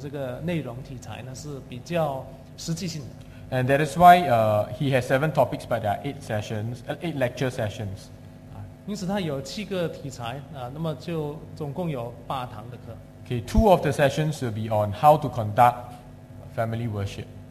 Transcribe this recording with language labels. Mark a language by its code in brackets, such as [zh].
[zh] 那么我们特别要求姚传道给大家讲的这个内容题材呢，是比较实际性的。 [en] And that is why he has seven topics, but there are eight sessions, eight lecture sessions. [zh] 因此他有七个题材，那么就总共有八堂的课。 [en] Okay, two of the sessions will be on how to conduct family worship.